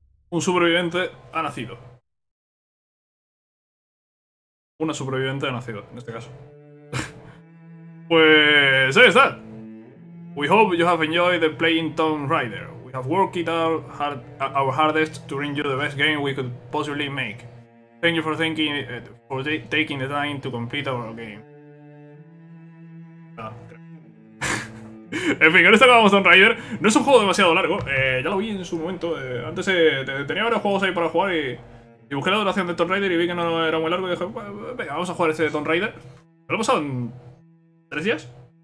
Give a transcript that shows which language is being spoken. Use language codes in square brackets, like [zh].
[es] Un superviviente ha nacido. Una superviviente ha nacido, en este caso. Pues ahí está. [en] We hope you have enjoyed the playing Tomb Raider. We have worked it out our hardest to bring you the best game we could possibly make. Thank you for taking the time to complete our game. [es] En fin, con esto acabamos Tomb Raider. No es un juego demasiado largo, ya lo vi en su momento. Antes tenía varios juegos ahí para jugar y busqué la duración de Tomb Raider y vi que no era muy largo. Y dije, venga, vamos a jugar este Tomb Raider. ¿Lo he pasado en 3 días?